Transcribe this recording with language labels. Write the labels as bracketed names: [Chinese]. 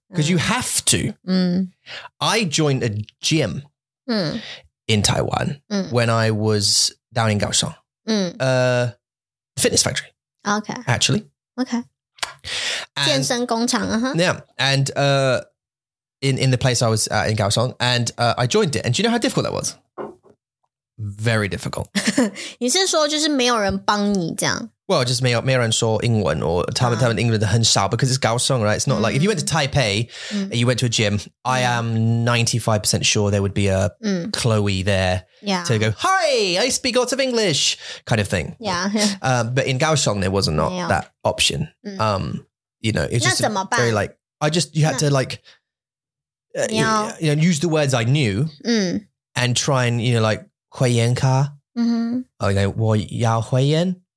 [English] Because you have to. I joined a gym in Taiwan when I was down in Kaohsiung. Fitness factory. Okay. Actually. Okay. [Chinese] 健身工厂, [English] uh-huh. Yeah. And in the place I was at in Kaohsiung, and I joined it. And do you know how difficult that was? Very difficult. [Chinese] 你是说就是没有人帮你这样? [English] Well, just [Chinese] 没有人说英文 [English] or [Chinese] 他们英文的很少 [English] because it's Kaohsiung, right? It's not like, if you went to Taipei, and you went to a gym, I am 95% sure there would be a Chloe there to go, hi, I speak lots of English kind of thing. Yeah. But in Kaohsiung, there was not that option. You know, it's just very like, I just, you had to like, you know, use the words I knew and try and, you know, like, [Chinese] 回言卡, [English] okay, [Chinese] 我要回言,